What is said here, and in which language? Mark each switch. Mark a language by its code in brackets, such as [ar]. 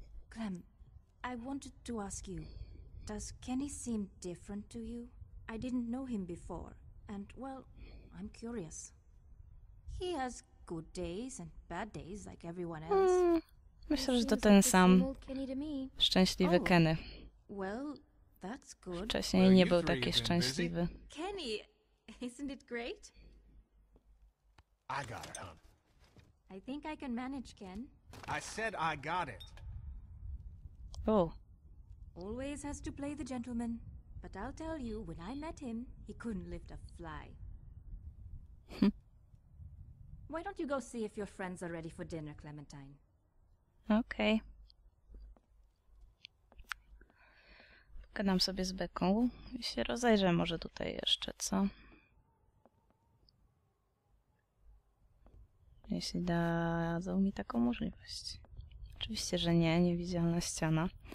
[en] Clem, I wanted to ask you. Does Kenny seem different to you? I didn't know him before. And, well, I'm curious. He has good days and bad days, like everyone else. [pl] Myślę, że to ten sam szczęśliwy Kenny. [en] Well, that's good. [pl] Wcześniej nie był taki szczęśliwy. [en] Kenny, isn't it great? I got it, hon. I think I can manage, Ken. I said I got it. Oh. Always has to play the gentleman. But I'll tell you, when I met him, he couldn't lift a fly. Why don't you go see if your friends are ready for dinner, Clementine? Okej. Okay. [pl] Gadam sobie z Beką i się rozejrzę może tutaj jeszcze, co? Jeśli dadzą mi taką możliwość. Oczywiście, że nie, niewidzialna ściana.